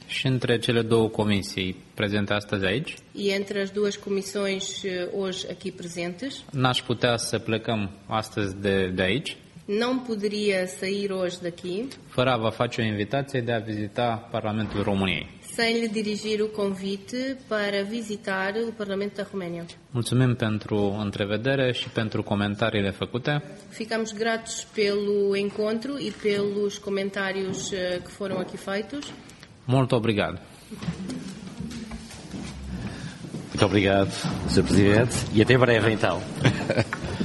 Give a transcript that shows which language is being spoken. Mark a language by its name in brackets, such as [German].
[Romanian] Și între cele două comisii prezente astăzi aici. [Portuguese] E entre as duas comissões hoje aqui presentes. [Romanian] N-aș putea să plecăm astăzi de aici. [Portuguese] Não poderia sair hoje daqui. [Romanian] Fără a vă face o invitație de a vizita Parlamentul României. [Portuguese] Sem lhe dirigir o convite para visitar o Parlamento da România. [Romanian] Mulțumim pentru întrevedere și pentru comentariile făcute. [Portuguese] Ficamos gratos pelo encontro e pelos comentários que foram aqui feitos. Muito obrigado. Muito obrigado, Sr. Presidente, e até breve então.